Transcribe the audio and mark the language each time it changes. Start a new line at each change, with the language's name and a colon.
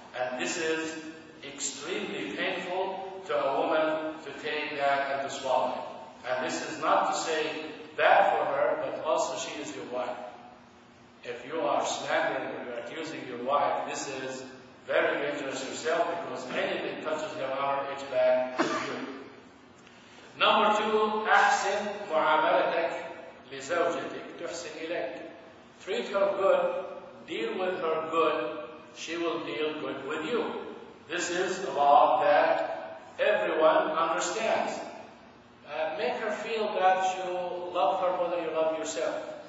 English: And this is extremely painful to a woman to take that and to swallow it. And this is not to say bad for her, but also she is your wife. If you are slandering or you are accusing your wife, this is very dangerous yourself, because anything touches your honor, it's bad for you. Number two,
Arabic: أحسن معاملتك لزوجتك. تحسن إليك.
English: Treat her good, deal with her good, she will deal good with you. This is a law that everyone understands. Make her feel that you love her more than you love yourself.